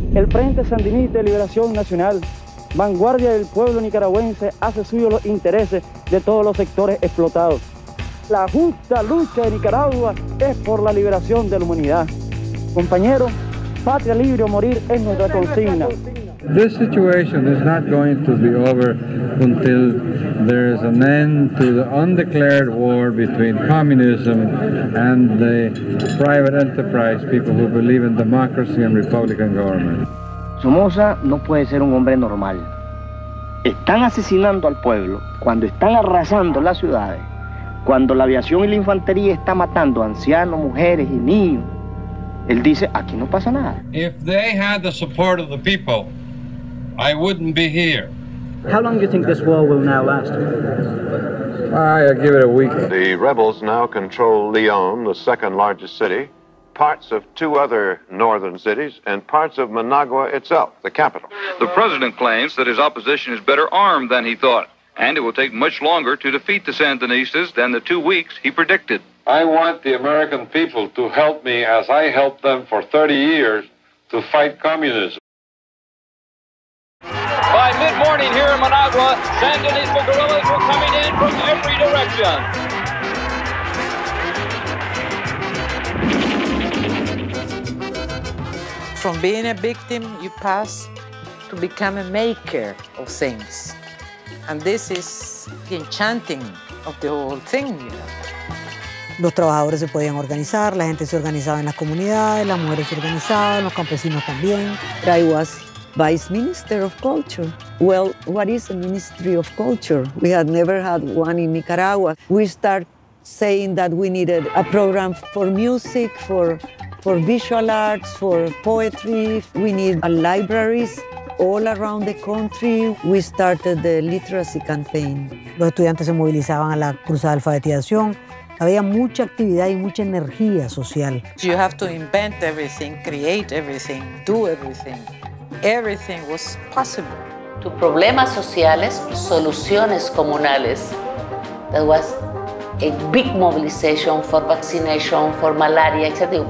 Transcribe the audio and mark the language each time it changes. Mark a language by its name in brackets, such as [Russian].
[Spanish] El Frente Sandinista de Liberación Nacional, vanguardia del pueblo nicaragüense, hace suyo los intereses de todos los sectores explotados. La justa lucha de Nicaragua es por la liberación de la humanidad. Compañeros, patria libre o morir es nuestra consigna. [English] This situation is not going to be over until there is an end to the undeclared war between communism and the private enterprise people who believe in democracy and republican government. [Spanish] Somoza no puede ser un hombre normal. Están asesinando al pueblo cuando están arrasando las ciudades, cuando la aviación y la infantería está matando ancianos, mujeres y niños. Él dice, aquí no pasa nada. [English] If they had the support of the people, I wouldn't be here. How long do you think this war will now last? I give it a week. The rebels now control Lyon, the second largest city, parts of two other northern cities, and parts of Managua itself, the capital. The president claims that his opposition is better armed than he thought, and it will take much longer to defeat the Sandinistas than the 2 weeks he predicted. I want the American people to help me as I helped them for 30 years to fight communism. By mid-morning here in Managua, Sandinista guerrillas were coming in from every direction. From being a victim, you pass to become a maker of things. And this is the enchanting of the whole thing, you know. [Spanish] Los trabajadores se podían organizar, la gente se organizaba en las comunidades, las mujeres se organizaban, los campesinos también. [English] I was vice minister of culture. Well, what is a ministry of culture? We had never had one in Nicaragua. We start saying that we needed a program for music, for visual arts, for poetry. We need libraries all around the country. We started the literacy campaign. [Spanish] Los estudiantes se movilizaban a la cruzada de alfabetización. Había mucha actividad y mucha energía social. [English] You have to invent everything, create everything, do everything. Everything was possible. [Spanish] To problemas sociales, soluciones comunales. [English] That was a big mobilization for vaccination, for malaria, etc.